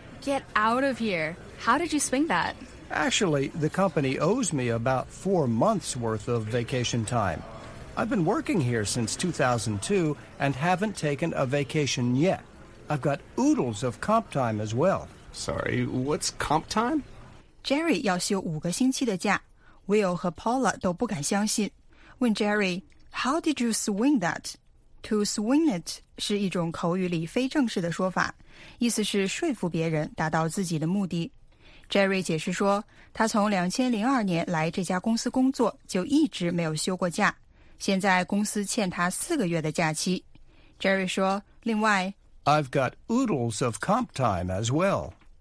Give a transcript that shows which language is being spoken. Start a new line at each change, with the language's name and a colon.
English: Get out of here. How did you swing that? Actually, the company owes me about 4 months' worth of vacation time. I've been working here since 2002 and haven't taken a vacation yet. I've got oodles of comp time as well. Sorry, what's comp time?
Chinese: Jerry 要休五个星期的假 ，Will 和 Paula 都不敢相信。问 Jerry,
English: "How did you swing that?" To swing it
Chinese: 是一种口语里非正式的说法，意思是说服别人达到自己的目的。 Jerry 解释说，他从2002年来这家公司工作就一直没有休过假，现在公司欠他四个月的假期。 Jerry 说，另外
English: I've got oodles of comp time as well.